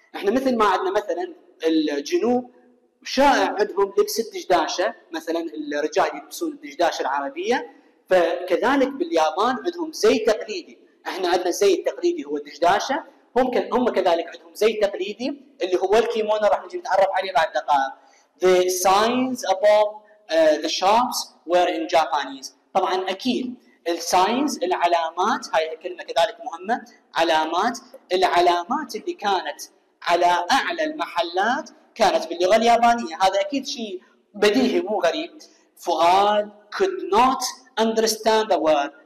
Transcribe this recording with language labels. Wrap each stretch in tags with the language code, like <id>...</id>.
<ar>احنا مثل ما عندنا مثلا الجنوب شائع عندهم لبس الدجداشة، مثلا الرجال يلبسون الدجداشة العربية، فكذلك باليابان عندهم زي تقليدي. احنا عندنا زي التقليدي هو الدجداشة، هم كذلك عندهم زي تقليدي اللي هو الكيمونو، راح نجي نتعرف عليه بعد دقائق.</ar> <en>The signs above the shops were in Japanese.</en> <ar>طبعا اكيد الساينز العلامات، هاي الكلمة كذلك مهمة، علامات، العلامات اللي كانت على أعلى المحلات كانت باللغة اليابانية، هذا أكيد شيء بديهي مو غريب.</ar> <en>فؤاد could not understand the word.</en>